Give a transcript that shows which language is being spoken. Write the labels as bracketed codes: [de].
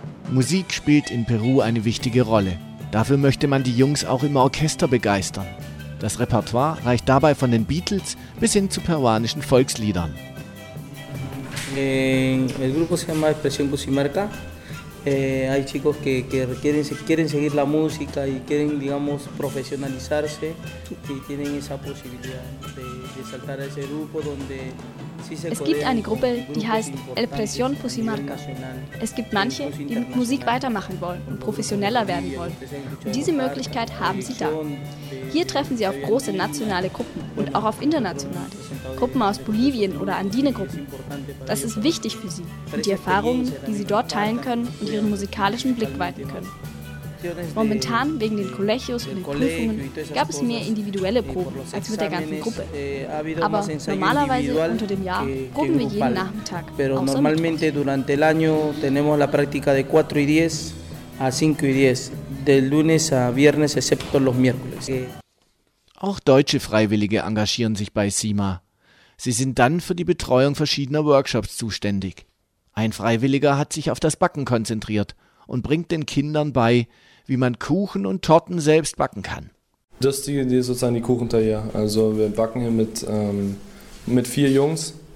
[de] Musik spielt in Peru eine wichtige Rolle. Dafür möchte man die Jungs auch im Orchester begeistern. Das Repertoire reicht dabei von den Beatles bis hin zu peruanischen Volksliedern. [es] El grupo se llama Expresión Cusimarca. Hay chicos que quieren seguir la música y quieren, digamos, profesionalizarse y tienen esa posibilidad de saltar a ese grupo donde sí se. [de] Es gibt eine Gruppe, die heißt Expresión Cusimarca. Es gibt manche, die mit Musik weitermachen wollen und professioneller werden wollen. Und diese Möglichkeit haben sie da. Hier treffen sie auf große nationale Gruppen und auch auf internationale Gruppen aus Bolivien oder Andine-Gruppen. Das ist wichtig für sie und die Erfahrungen, die sie dort teilen können und ihren musikalischen Blick weiten können. Momentan, wegen den Colegios und den Prüfungen, gab es mehr individuelle Proben als mit der ganzen Gruppe. Aber normalerweise unter dem Jahr proben wir jeden Nachmittag. [es] Pero normalmente durante el año tenemos la práctica de 4 y 10 a 5 y 10, del lunes a viernes, excepto los miércoles. [de] Auch deutsche Freiwillige engagieren sich bei CIMA. Sie sind dann für die Betreuung verschiedener Workshops zuständig. Ein Freiwilliger hat sich auf das Backen konzentriert und bringt den Kindern bei, wie man Kuchen und Torten selbst backen kann. Das ist die sozusagen die Kuchenteile. Also wir backen hier mit 4 Jungs.